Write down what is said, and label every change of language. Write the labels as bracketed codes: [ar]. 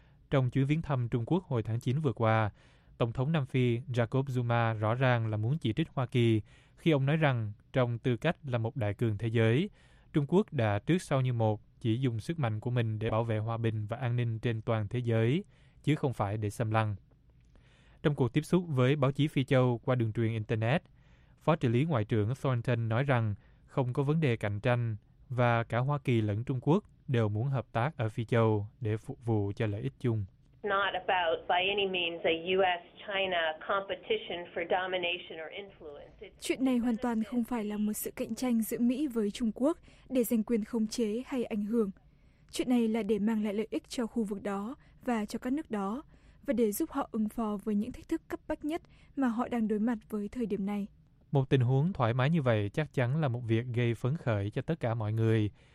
[vi] Trong chuyến viếng thăm Trung Quốc hồi tháng 9 vừa qua, Tổng thống Nam Phi Jacob Zuma rõ ràng là muốn chỉ trích Hoa Kỳ khi ông nói rằng trong tư cách là một đại cường thế giới, Trung Quốc đã trước sau như một chỉ dùng sức mạnh của mình để bảo vệ hòa bình và an ninh trên toàn thế giới, chứ không phải để xâm lăng. Trong cuộc tiếp xúc với báo chí Phi Châu qua đường truyền Internet, Phó trợ lý Ngoại trưởng Thornton nói rằng không có vấn đề cạnh tranh và cả Hoa Kỳ lẫn Trung Quốc đều muốn hợp tác ở Phi Châu để phục vụ cho lợi ích chung. [en] Not about by any means a US-China competition for domination or influence. [vi] Chuyện này hoàn toàn không phải là một sự cạnh tranh giữa Mỹ với Trung Quốc để giành quyền khống chế hay ảnh hưởng. Chuyện này là để mang lại lợi ích cho khu vực đó và cho các nước đó, và để giúp họ ứng phó với những thách thức cấp bách nhất mà họ đang đối mặt với thời điểm này. Một tình huống thoải mái như vậy chắc chắn là một việc gây phấn khởi cho tất cả mọi người.